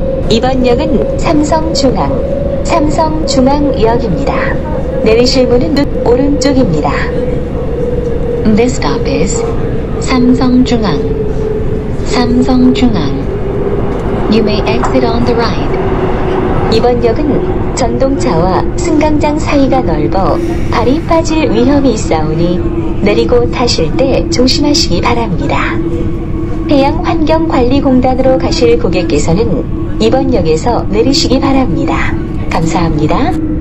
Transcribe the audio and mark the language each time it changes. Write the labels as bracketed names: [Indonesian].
[Korean] 이번역은 삼성중앙역입니다. 내리실 문은 오른쪽입니다. [English] This stop is 삼성중앙. [Korean] 삼성중앙. [English] You may exit on the right. [Korean] 이번역은 전동차와 승강장 사이가 넓어 발이 빠질 위험이 있사오니 내리고 타실 때 조심하시기 바랍니다. 해양환경관리공단으로 가실 고객께서는 이번 역에서 내리시기 바랍니다. 감사합니다.